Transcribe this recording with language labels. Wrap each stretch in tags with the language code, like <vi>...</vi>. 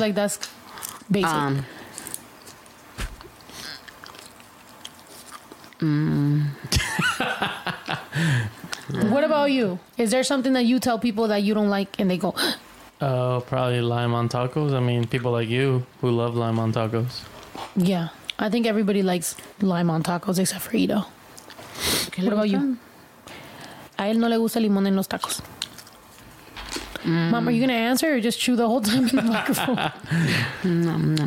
<en>Like, that's basic. What about you? Is there something that you tell people that you don't like and they go... Probably lime on tacos. I mean, people like you who love lime on tacos. Yeah. I think everybody likes lime on tacos except for Ido. What about you?</en> <es>A él no le gusta limón en los tacos.</es> <en>Mom, are you going to answer or just chew the whole time in the microphone?</en>